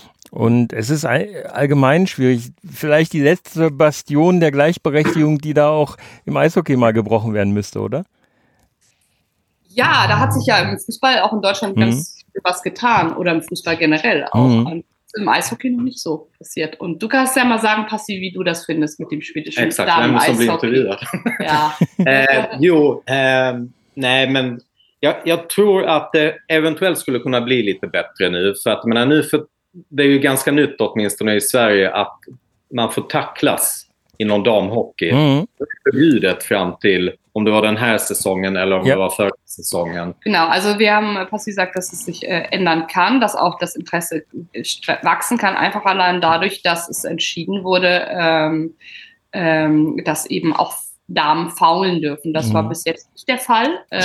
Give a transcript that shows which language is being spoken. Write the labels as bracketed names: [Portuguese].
[German] Und es ist allgemein schwierig. Vielleicht die letzte Bastion der Gleichberechtigung, die da auch im Eishockey mal gebrochen werden müsste, oder? Ja, da hat sich ja im Fußball auch in Deutschland ganz viel was getan oder im Fußball generell auch. Im Eishockey noch nicht so passiert. Und du kannst ja mal sagen, Passi, wie du das findest mit dem schwedischen Exakt, Star im Eishockey. Exakt, wir müssen [Swedish] nej, men jag tror att det eventuellt skulle kunna bli lite bättre nu. För att, men, det är ju ganska nytt åtminstone i Sverige att man får tacklas inom damhockey. Det är förbjudet fram till om det var den här säsongen eller om det var förra säsongen. [German] Genau, also wir haben Passi gesagt, dass es sich ändern kann, dass auch das Interesse wachsen kann, einfach allein dadurch, dass es entschieden wurde, dass eben auch Damen faulen dürfen. Das war bis jetzt nicht der Fall.